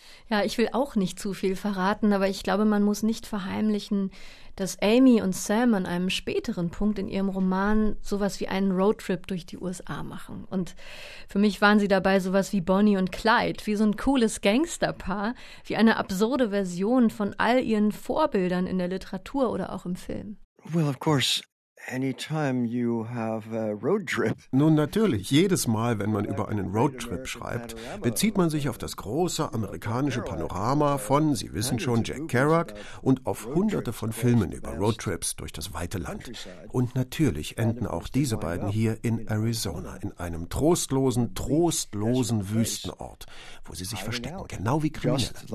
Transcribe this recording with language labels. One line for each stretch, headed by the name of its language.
German: Ja, ich will auch nicht zu viel verraten, aber ich glaube, man muss nicht verheimlichen, dass Amy und Sam an einem späteren Punkt in ihrem Roman sowas wie einen Roadtrip durch die USA machen. Und für mich waren sie dabei sowas wie Bonnie und Clyde, wie so ein cooles Gangsterpaar, wie eine absurde Version von all ihren Vorbildern in der Literatur oder auch im Film.
English: Well, of course. Anytime you have a road trip.
German: Nun natürlich, jedes Mal, wenn man über einen Roadtrip schreibt, bezieht man sich auf das große amerikanische Panorama von, Sie wissen schon, Jack Kerouac und auf hunderte von Filmen über Roadtrips durch das weite Land. Und natürlich enden auch diese beiden hier in Arizona, in einem trostlosen, trostlosen Wüstenort, wo sie sich verstecken, genau wie Kriminelle.